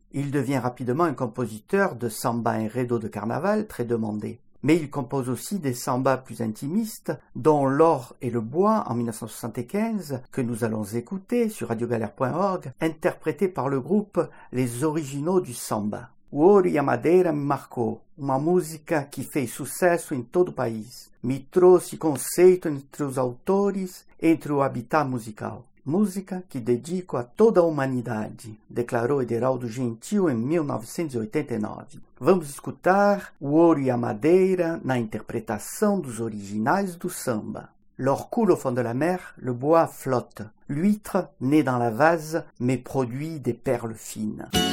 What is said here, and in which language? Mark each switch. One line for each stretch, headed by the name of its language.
French: Il devient rapidement un compositeur de samba enredo de carnaval très demandé. Mais il compose aussi des sambas plus intimistes, dont L'or et le bois en 1975, que nous allons écouter sur radiogalère.org, interprété par le groupe Les Originaux du Samba.
Portuguese: Ouro e a Madeira me marcou, uma música que fez sucesso em todo o país. Me trouxe conceito entre os autores, entre o habitat musical. Música que dedico a toda a humanidade, declarou Ederaldo Gentil em 1989. Vamos escutar O Ouro e a Madeira na interpretação dos originais do samba.
French: L'or coule au fond de la mer, le bois flotte. L'huître, née dans la vase, mais produit des perles fines.